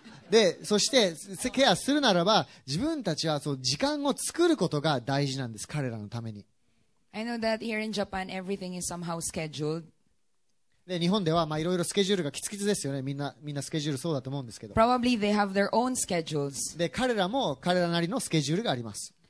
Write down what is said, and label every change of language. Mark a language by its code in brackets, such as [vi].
[ja] で、そしてケアするならば、自分たちはそう時間を作ることが大事なんです、彼らのために。 [en] I know that here in Japan, everything is somehow scheduled. [ja] で、日本ではいろいろスケジュールがきつきつですよね。みんなスケジュールそうだと思うんですけど。 [en] Probably they have their own schedules. [ja] で、彼らも彼らなりのスケジュールがあります。